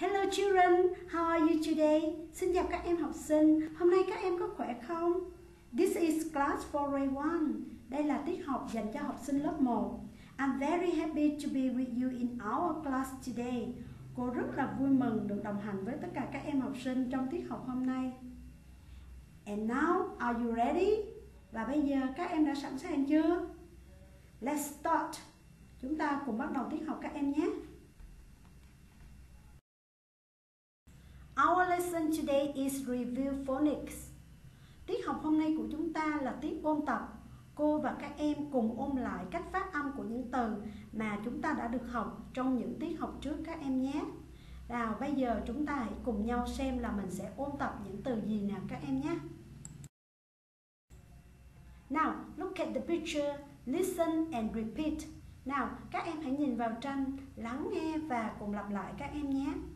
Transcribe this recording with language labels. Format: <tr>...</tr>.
<en>children, how are you today?</en> <vi>Xin chào các em học sinh, hôm nay các em có khỏe không?</vi> <en>This is class 401.</en> <vi>Đây là tiết học dành cho học sinh lớp 1.</vi> <en>I'm very happy to be with you in our class today.</en> <vi>Cô rất là vui mừng được đồng hành với tất cả các em học sinh trong tiết học hôm nay.</vi> <en>And now, are you ready?</en> <vi>Và bây giờ các em đã sẵn sàng chưa?</vi> <en>Let's start.</en> <vi>Chúng ta cùng bắt đầu tiết học các em nhé.</vi> <en>Our lesson today is review phonics.</en> <vi>Tiết học hôm nay của chúng ta là tiết ôn tập. Cô và các em cùng ôn lại cách phát âm của những từ mà chúng ta đã được học trong những tiết học trước các em nhé. Nào bây giờ chúng ta hãy cùng nhau xem là mình sẽ ôn tập những từ gì nào các em nhé.</vi> <en>Now, look at the picture, listen and repeat.</en> <vi>Nào, các em hãy nhìn vào tranh, lắng nghe và cùng lặp lại các em nhé.</vi>